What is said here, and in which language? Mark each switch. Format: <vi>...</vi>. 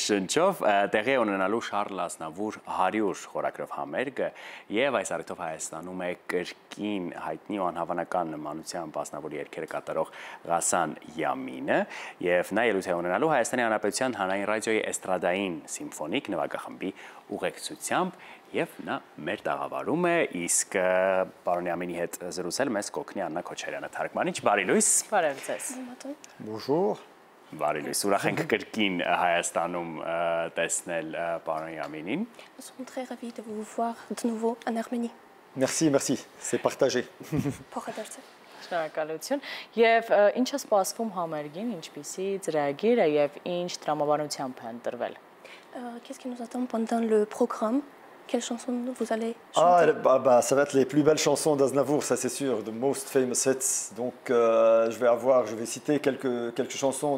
<hy>Շնչով տեղի ունենալու Շարլ Ազնավուր 100 խորագրով համերգը եւ այս արդյոք Հայաստանում է կրկին հայտնի ու անհավանական նմանությամբ ազնավոր երգերը կատարող Ղասան Յամինը եւ նա ելույթ է ունենալու Հայաստանի Հանրապետության հանրային ռադիոյի էստրադային սիմֆոնիկ նվագախմբի ուղեկցությամբ եւ նա մեր տաղավարում է, իսկ պարոն Յամինի հետ զրուցել մեզ կոգնի Աննա Քոչարյանը։ Թարգմանիչ, բարի լույս։ Բարև ձեզ։</hy> <fr>Բոժոր։</fr> <hy>Բարի լույս։ Ուրախ ենք կրկին Հայաստանում տեսնել պարոն Յամինին։</hy> <fr>Son très ravi de vous voir de nouveau en Arménie. Merci, merci. C'est partagé.</fr> <hy>Փոխադարձել։ Շնորհակալություն։ Եվ ինչ է սպասվում համերգին, ինչպիսի ծրագիրը եւ ինչ դրամաբանությամբ է ընտրվել։</hy> <fr>Qu'est-ce qui nous attend pendant le programme? Quelles chansons vous allez chanter? Ah, bah, ça va être les plus belles chansons d'Aznavour, ça c'est sûr,</fr> <en>the most famous hits.</en> <fr>Donc je vais citer quelques chansons.</fr>